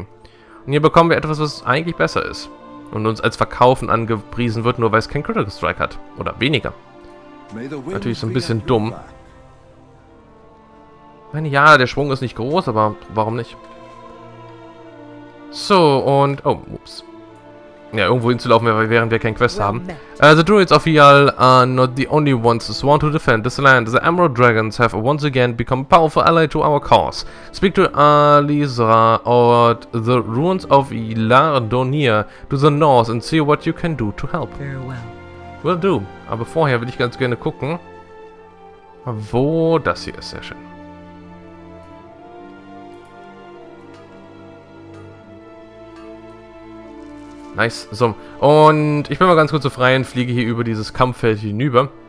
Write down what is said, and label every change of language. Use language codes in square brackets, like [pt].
[de] Und hier bekommen wir etwas, was eigentlich besser ist. Und uns als Verkaufen angepriesen wird, nur weil es kein Critical Strike hat. Oder weniger. Natürlich so ein bisschen dumm. Ich meine, ja, der Sprung ist nicht groß, aber warum nicht? So, und... Oh, ups. Ja, irgendwo hinzulaufen, während wir keinen Quest haben. [en] The Druids of Hyau are not the only ones sworn to defend this land. The Emerald Dragons have once again become a powerful ally to our cause. Speak to Alizra or the ruins of Ylardonir to the north and see what you can do to help. Farewell. Will do. [de] Aber vorher will ich ganz gerne gucken, wo das hier ist. Sehr schön. Nice, so. Und ich bin mal ganz kurz zu freien, fliege hier über dieses Kampffeld hinüber.